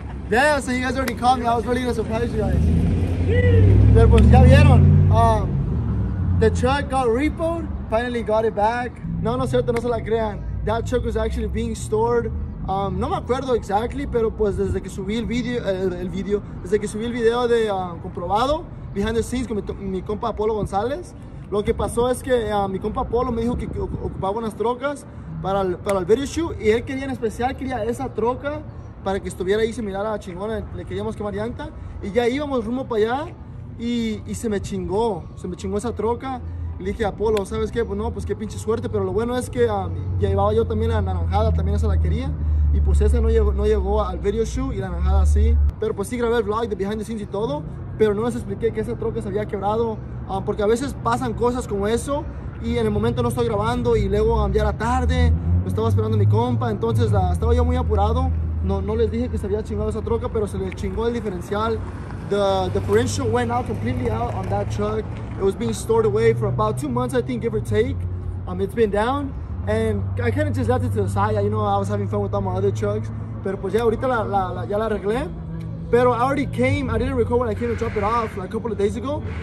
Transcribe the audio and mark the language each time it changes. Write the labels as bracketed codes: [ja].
[en] Yeah, so you guys already caught me. I was really gonna surprise you guys. [es] Pero pues ya vieron. [en] The truck got repoed, finally got it back. [es] No, no es cierto, no se la crean. [en] That truck was actually being stored. [es] No me acuerdo [en] exactly, [es] pero pues desde que subí el video, desde que subí el video de comprobado, [en] behind the scenes [es] con mi compa Apolo González. Lo que pasó es que mi compa Polo me dijo que ocupaba unas trocas para el video shoot y él quería en especial, quería esa troca para que estuviera ahí, se mirara chingona, le queríamos quemar llanta y ya íbamos rumbo para allá y se me chingó esa troca. Le dije a Polo, ¿sabes qué? Pues no, pues qué pinche suerte, pero lo bueno es que ya llevaba yo también la naranjada, también esa la quería y pues esa no llegó al video shoot y la naranjada sí, pero pues sí grabé el vlog de behind the scenes y todo, pero no les expliqué que esa troca se había quebrado. Porque a veces pasan cosas como eso y en el momento no estoy grabando y luego ya era tarde, me estaba esperando mi compa, entonces estaba yo muy apurado. No les dije que se había chingado esa troca, pero se le chingó el diferencial. [en] The differential went out completely out on that truck. It was being stored away for about 2 months, I think, give or take. It's been down and I kind of just left it to the side. You know, I was having fun with all my other trucks, [es] pero pues ya ahorita ya la arreglé. [en] Pero I didn't record when I came to drop it off like a couple of days ago.